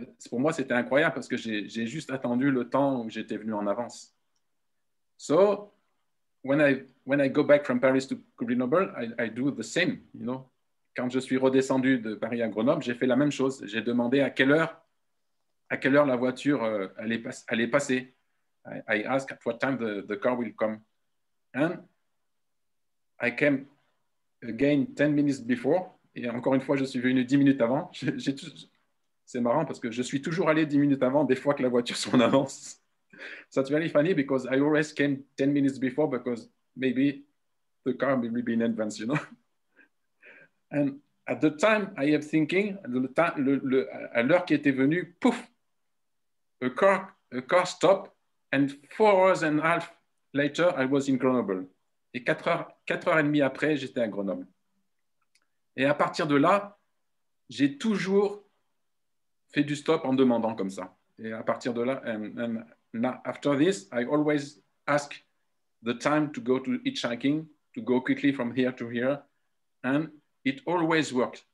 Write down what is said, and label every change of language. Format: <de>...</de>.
<fr>Pour moi, c'était incroyable parce que j'ai juste attendu le temps où j'étais venu en avance.</fr> <en>So, when I go back from Paris to Grenoble, I do the same, you know.</en> <fr>Quand je suis redescendu de Paris à Grenoble, j'ai fait la même chose. J'ai demandé à quelle heure la voiture allait passer.</fr> <en>I ask at what time the car will come. And I came again 10 minutes before,</en> <fr>et encore une fois je suis venu 10 minutes avant. C'est marrant parce que je suis toujours allé 10 minutes avant des fois que la voiture soit en avance.</fr> <en>So it's very funny because I always came 10 minutes before because maybe the car will be in advance, you know. And at the time I am thinking,</en> <fr>à l'heure qui était venue,</fr> <en>pouf, a car stopped, and 4 hours and a half later I was in Grenoble.</en> <fr>Et 4 heures et demie après, j'étais à Grenoble. Et à partir de là, j'ai toujours fait du stop en demandant comme ça. Et à partir de là,</fr> <en>and after this, I always ask the time to go to hitchhiking, to go quickly from here to here, and it always worked.</en>